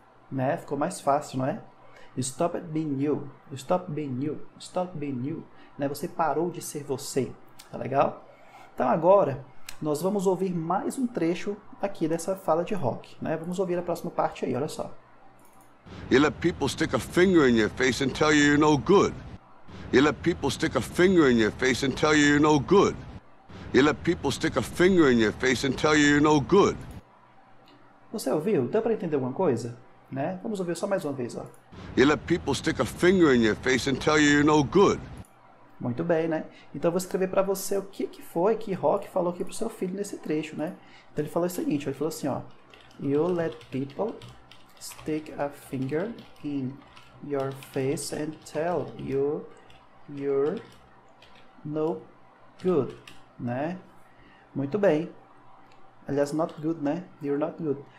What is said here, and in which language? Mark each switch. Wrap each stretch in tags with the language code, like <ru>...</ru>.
<pt>Né? Ficou mais fácil, não é?</pt> <en>Stop being you. Stop being you. Stop being you.</en> <pt>Né? Você parou de ser você. Tá legal? Então agora nós vamos ouvir mais um trecho aqui dessa fala de Rock, né? Vamos ouvir a próxima parte aí, olha só.</pt> <en>You let people stick a finger in your face and tell you you're no good. You let people stick a finger in your face and tell you you're no good. You let people stick a finger in your face and tell you you're no good.</en> <pt>Você ouviu? Dá para entender alguma coisa? Né? Vamos ouvir só mais uma vez, ó.</pt> <en>You let people stick a finger in your face and tell you you're no good.</en> <pt>Muito bem, né? Então eu vou escrever para você o que que foi que Rock falou aqui pro seu filho nesse trecho, né? Então ele falou o seguinte, ele falou assim, ó:</pt> <en>You let people stick a finger in your face and tell you you're no good,</en> <pt>né? Muito bem. Aliás,</pt> <en>not good,</en> <pt>né?</pt> <en>You're not good.</en>